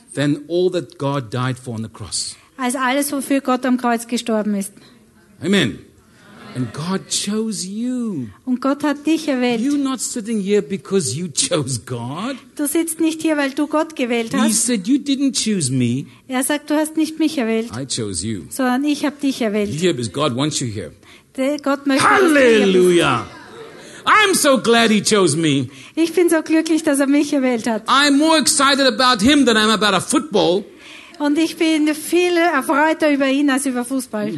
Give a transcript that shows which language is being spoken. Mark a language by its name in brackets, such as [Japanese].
[English] Than all that God died for on the cross. [German] Als alles, wofür Gott am Kreuz gestorben ist. [English] Amen. And God chose you. [German] Und Gott hat dich erwählt. [English] You're not sitting here because you chose God. [German] Du sitzt nicht hier, weil du Gott gewählt hast. [English] He said you didn't choose me. [German] Er sagt, du hast nicht mich erwählt. [English] I chose you. [German] Sondern ich habe dich erwählt. [English] You're here because God wants you here. [German] Gott möchte Halleluja. Dich hier. [English] I'm so glad he chose me. [German] Ich bin so glücklich, dass er mich erwählt hat. [English] I'm more excited about him than I'm about a football. [German] Und ich bin viel erfreuter über ihn als über Fußball.